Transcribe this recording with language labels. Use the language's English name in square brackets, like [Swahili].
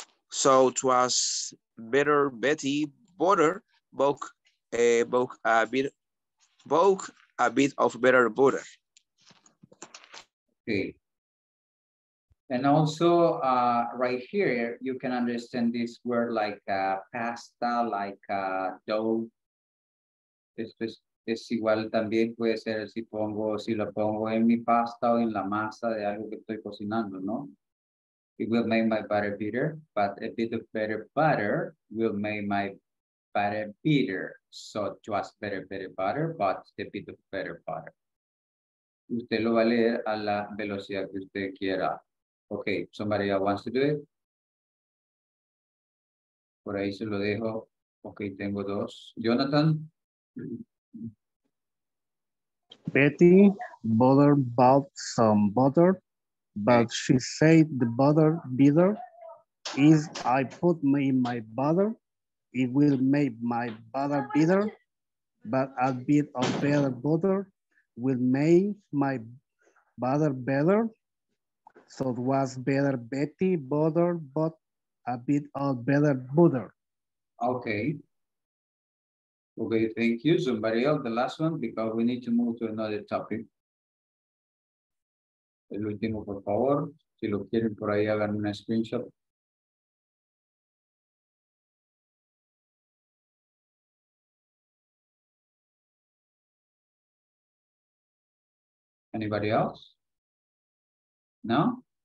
[English] So it was better Betty butter bought a bit of better butter. Okay, And also right here, you can understand this word like pasta, like dough. [Spanish] Es igual también puede ser si pongo, si lo pongo en mi pasta o en la masa de algo que estoy cocinando, ¿no? [English] It will make my butter bitter, but a bit of better butter will make my butter bitter. So just better butter, but a bit of better butter. [Spanish] Usted lo va a leer a la velocidad que usted quiera. [English] Okay, somebody else wants to do it. [Spanish] Por ahí se lo dejo. Okay, tengo dos. Jonathan. [English] Betty bought some butter, but she said the butter bitter. If I put me in my butter, it will make my butter bitter, but a bit of better butter will make my butter better. So it was better Betty butter, but a bit of better butter. Okay. Okay, thank you. Somebody else, the last one, because we need to move to another topic. [Spanish] El último, por favor. Si lo quieren por ahí, hagan una screenshot. [English] Anybody else? No?